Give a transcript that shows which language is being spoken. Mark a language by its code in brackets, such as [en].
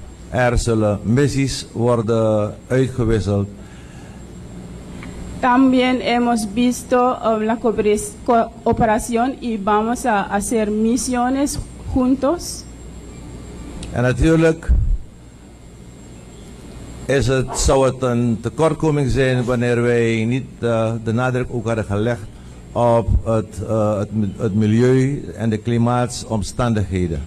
[nl] Er zullen missies worden uitgewisseld. [es] También hemos visto la cooperación y vamos a hacer misiones juntos. [nl] Natuurlijk is het, zou het een tekortkoming zijn wanneer wij niet de nadruk ook hadden gelegd op het milieu en de klimaatomstandigheden.